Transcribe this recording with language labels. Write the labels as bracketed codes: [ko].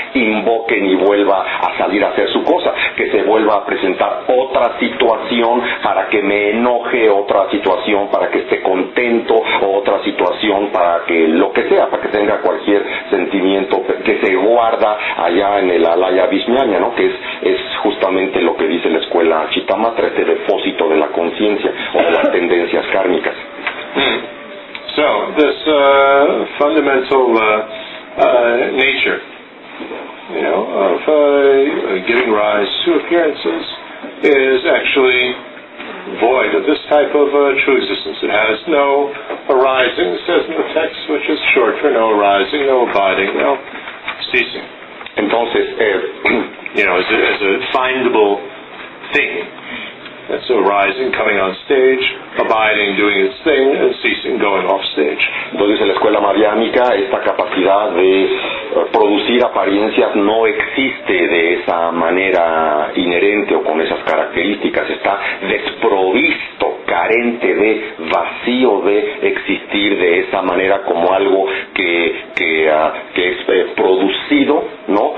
[es] invoquen y vuelva a salir a hacer su cosa, que se vuelva a presentar otra situación para que me enoje, otra situación para que esté contento, o otra situación para que lo que sea, para que tenga cualquier sentimiento que se guarda allá en el Alaya Vishnaya, ¿no? Que es justamente lo que dice la escuela Chitamatra, este depósito de la conciencia o de las tendencias kármicas. [en] So, this fundamental nature, you know, of giving rise to appearances is actually void of this type of true existence. It has no arising, it says in the text, which is short for no arising, no abiding, no ceasing. [es] Entonces, [en] you know, as a findable thing. That's arising, coming on stage, abiding, doing its thing, and ceasing, going off stage. [es] Entonces, en la escuela madhyamica, esta capacidad de producir apariencias no existe de esa manera inherente o con esas características. Está desprovisto, carente de, vacío de existir de esa manera como algo que es producido, ¿no?